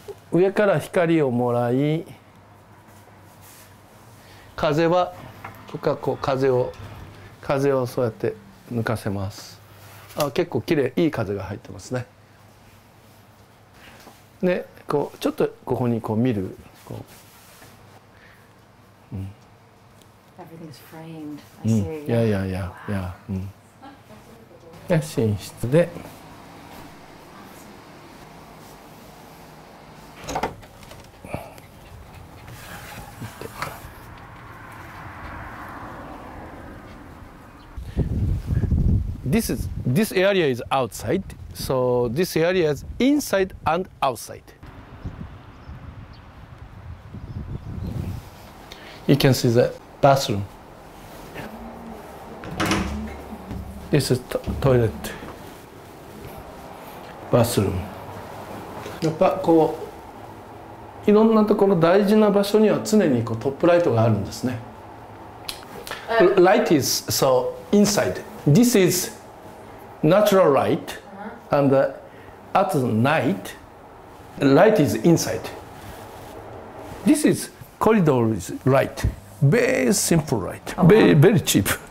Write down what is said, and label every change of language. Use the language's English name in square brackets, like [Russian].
[Japanese] 上から光をもらい、風はここはこう風をそうやって抜かせます。あ、結構綺麗、いい風が入ってますね。でこうちょっとここにこう見る、こう、うん、いや、うん、寝室で、 [English] This area is outside, so this area is inside and outside. You can see the bathroom. This is toilet. Bathroom. [Japanese] やっぱこういろんなところ、大事な場所には常にこうトップライトがあるんですね。 [English] Light is so inside. This isnatural light, and at the night, light is inside. This is corridor light, very simple light, very, very cheap.